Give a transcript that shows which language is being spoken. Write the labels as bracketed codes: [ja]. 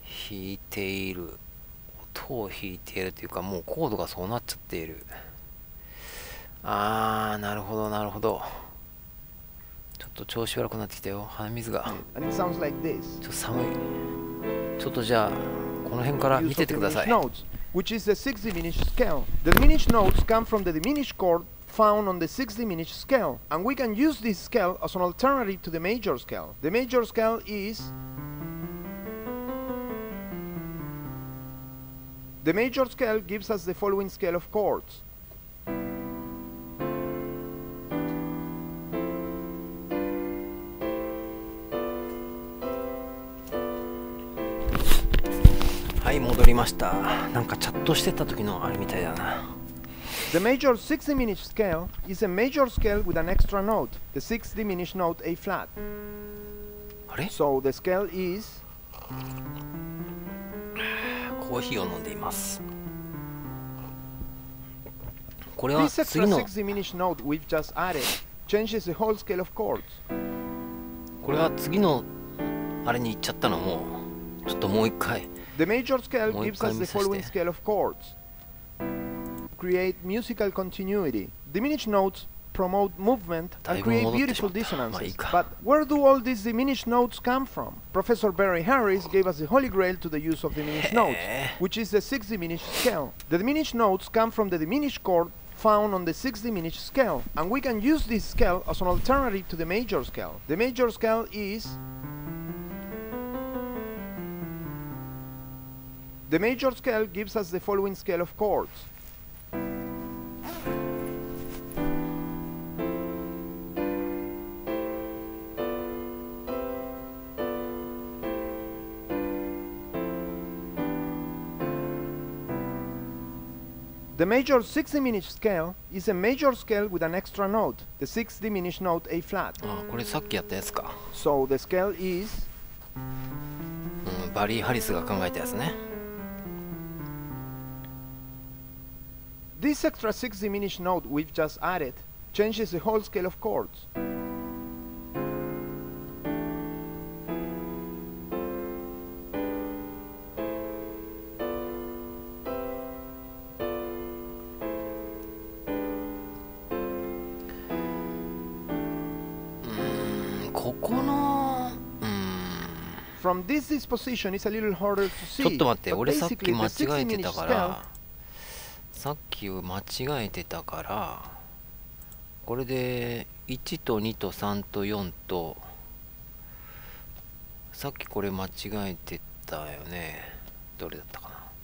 [ja] いている、音を弾いているというか、もうコードがそうなっちゃっている。ああ、なるほどなるほど。ちょっと調子悪くなってきたよ、鼻水が。 [en] And it sounds like this. [ja] ちょっと寒い。ちょっとじゃあこの辺から見ててください。 [en] Diminished notes, which is the 6 diminished scale. The diminished notes come from the diminished chord found on the 6 diminished scale. And we can use this scale as an alternative to the major scale. The major scale isThe major scale gives us the following scale of chords. [ja] はい、戻りました。なんかチャットしてた時のあれみたいだな。 [en] The major 6 diminished scale is a major scale with an extra note, the 6 diminished note A flat. [ja] あれ？ [en] So the scale is... [ja] コーヒーを飲んでいます。これは次の [en] 6 diminished note we've just added changes the whole scale of chords. [ja] これは次のあれに行っちゃったの。もうちょっともう一回、 [en] The major scale gives us the following scale of chords. Create musical continuity. Diminished notes promote movement and create beautiful dissonances. But where do all these diminished notes come from? Professor Barry Harris gave us the holy grail to the use of diminished notes, which is the sixth diminished scale. The diminished notes come from the diminished chord found on the sixth diminished scale, and we can use this scale as an alternative to the major scale. The major scale is... The major scale gives us the following scale of chords. The major 6 diminished scale is a major scale with an extra note, the 6th diminished note A flat. [ja] あ、これさっきやったやつか。 [en] So the scale is... [ja] バリー・ハリスが考えたやつね。 [en] This extra 6th diminished note we've just added changes the whole scale of chords. From this disposition, it's a little harder to see. [ja] ちょっと待って、俺さっき間違えてたから、さっき間違えてたから、これで1と2と3と4と、さっきこれ間違えてたよね。どれだったかな。